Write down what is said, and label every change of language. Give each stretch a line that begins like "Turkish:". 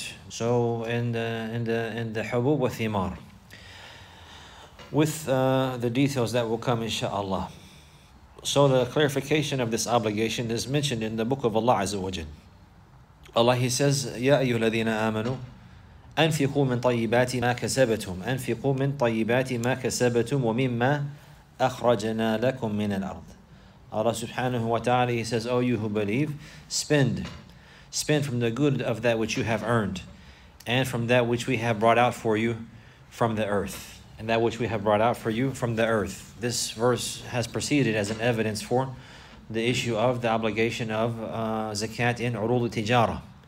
English: So in the hubub wa thimar, with the details that will come inshaAllah. So the clarification of this obligation is mentioned in the book of Allah Azza wa Jal. Allah, He says,
Arabic: يَا أَيُّهَا الَّذِينَ آمَنُوا أَنْفِقُوا مِنْ طَيِّبَاتِ مَا كَسَبَتُمْ أَنْفِقُوا مِنْ طَيِّبَاتِ مَا كَسَبَتُمْ وَمِمَّا أَخْرَجَنَا لَكُمْ مِنَ الْأَرْضِ.
English: Allah subhanahu wa ta'ala, He says, O you who believe, spend from the good of that which you have earned, and from that which we have brought out for you from the earth. And that which we have brought out for you from the earth. This verse has proceeded as an evidence for the issue of the obligation of zakat in urul tijara.